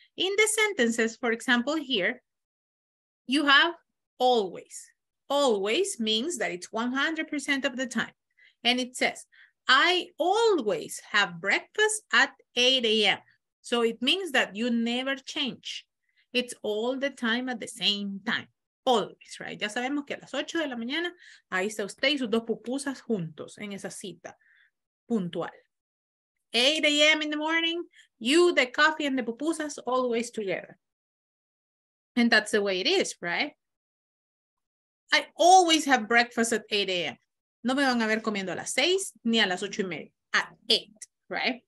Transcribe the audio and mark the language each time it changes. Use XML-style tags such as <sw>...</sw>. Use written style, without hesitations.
<en>In the sentences, for example, here, you have always. Always means that it's 100% of the time. And it says, I always have breakfast at 8 a.m. So it means that you never change. It's all the time at the same time. Always, right?</en> <es>Ya sabemos que a las 8 de la mañana, ahí está usted y sus dos pupusas juntos en esa cita puntual.</es> <en>8 a.m. in the morning, you, the coffee, and the pupusas always together. And that's the way it is, right? I always have breakfast at 8 a.m.</en> <es>No me van a ver comiendo a las 6 ni a las 8:30,</es> <en>at 8, right?</en>